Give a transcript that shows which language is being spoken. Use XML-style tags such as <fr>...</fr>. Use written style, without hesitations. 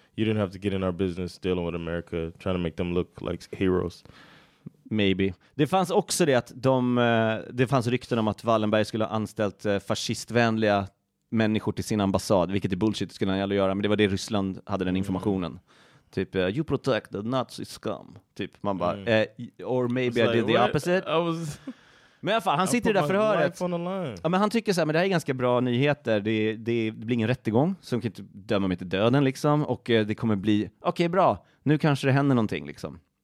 <en>You didn't have to get in our business dealing with America, trying to make them look like heroes. Maybe.</en> <sv>Det fanns också det att det fanns rykten om att Wallenberg skulle ha anställt fascistvänliga människor till sin ambassad, vilket är bullshit, skulle han gärna göra, men det var det Ryssland hade den informationen.</sv> <en>Mm. Typ, you protect the Nazi scum.</en> <sv>Typ, man bara,</sv> <en>or maybe I did like, the opposite. I was,</en> <sv>men i alla fall, han sitter där förhöret. Ja, men han tycker så här, men det här är ganska bra nyheter. Det blir ingen rättegång, så de kan inte döma mig till döden, liksom. Och det kommer bli, okej, okay, bra. Nu kanske det händer någonting, liksom.</sv>